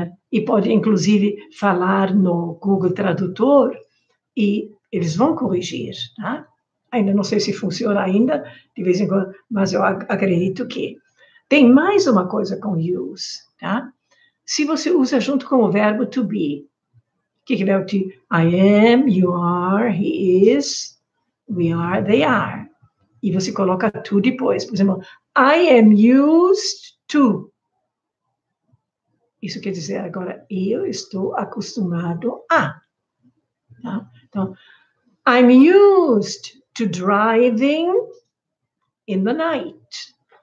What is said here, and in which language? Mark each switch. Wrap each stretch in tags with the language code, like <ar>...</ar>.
<pt>E pode, inclusive, falar no Google Tradutor e eles vão corrigir. Tá? Ainda não sei se funciona ainda, de vez em quando, mas eu acredito que. Tem mais uma coisa com use. Tá? Se você usa junto com o verbo to be, o que é o to?</pt> <en>I am, you are, he is, we are, they are.</en> <pt>E você coloca to depois. Por exemplo,</pt> <en>I am used to.</en> <pt>Isso quer dizer agora, eu estou acostumado a. Tá? Então,</pt> <en>I'm used to driving in the night.</en>